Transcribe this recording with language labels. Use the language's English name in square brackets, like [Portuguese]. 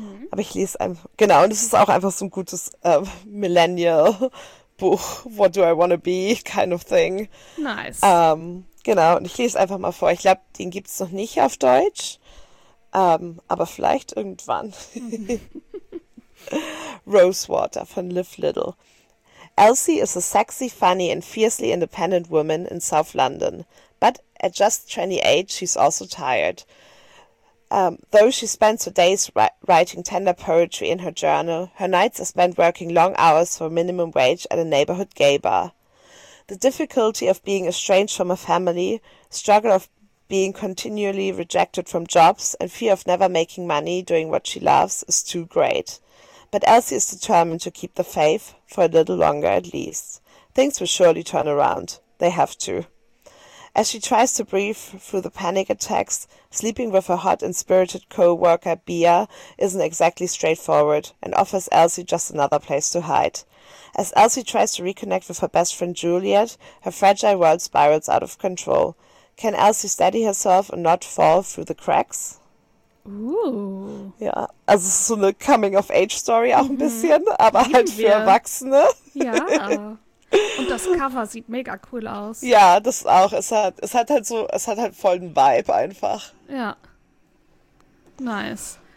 [German] Aber ich lese einfach, genau, und es ist auch einfach so ein gutes Millennial-Buch, What Do I Wanna Be, [English] kind of thing. Nice. [German] Genau, und ich lese einfach mal vor. Ich glaube, den gibt es noch nicht auf Deutsch, aber vielleicht irgendwann. Rosewater von Liv Little. [English] Elsie is a sexy, funny and fiercely independent woman in South London. But at just 28, she's also tired. Though she spends her days writing tender poetry in her journal, her nights are spent working long hours for minimum wage at a neighborhood gay bar. The difficulty of being estranged from a family, struggle of being continually rejected from jobs, and fear of never making money doing what she loves is too great. But Elsie is determined to keep the faith for a little longer at least. Things will surely turn around. They have to. As she tries to breathe through the panic attacks, sleeping with her hot and spirited co-worker Bia isn't exactly straightforward and offers Elsie just another place to hide. As Elsie tries to reconnect with her best friend Juliet, her fragile world spirals out of control. Can Elsie steady herself and not fall through the cracks? Ooh. [German] Ja, also es ist so eine Coming-of-Age-Story auch ein bisschen, aber halt für wir. Erwachsene. Ja. Und das Cover sieht mega cool aus. Ja, das auch. Es hat halt voll einen Vibe einfach. Ja. [English] Nice.